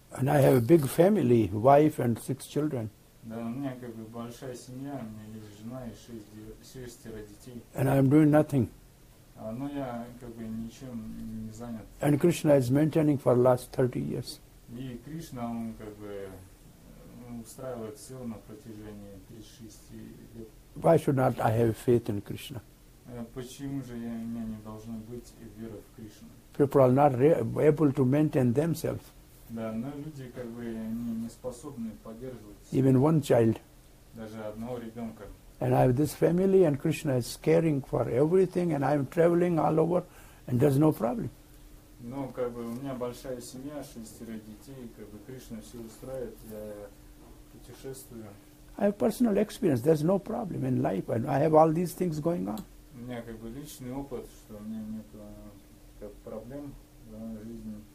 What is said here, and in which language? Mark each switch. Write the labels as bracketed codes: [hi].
[en] And I have a big family, wife and 6 children. [ru] Да, у меня как бы большая семья, у меня есть жена и 6 детей. [en] And I'm doing nothing. [ru] Но я как бы ничем не занят. [en] And Krishna is maintaining for last 30 years. [ru] И Кришна, он как бы устраивает все на протяжении 36 лет. [en] Why should not I have faith in Krishna? [ru] Почему же у меня не должно быть веры в Кришну? [en] People are not able to maintain themselves. [ru] Да, но люди как бы не способны поддерживать. [en] Even one child. [ru] Даже одного ребенка. [en] And I have this family, and Krishna is caring for everything, and I'm traveling all over, and there's no problem. [ru] Ну, как бы у меня большая семья, 6 детей, как бы Кришна все устраивает, я путешествую. [en] I have personal experience. There's no problem in life, and I have all these things going on. [ru] У меня как бы личный опыт, что у меня нет как проблем в жизни.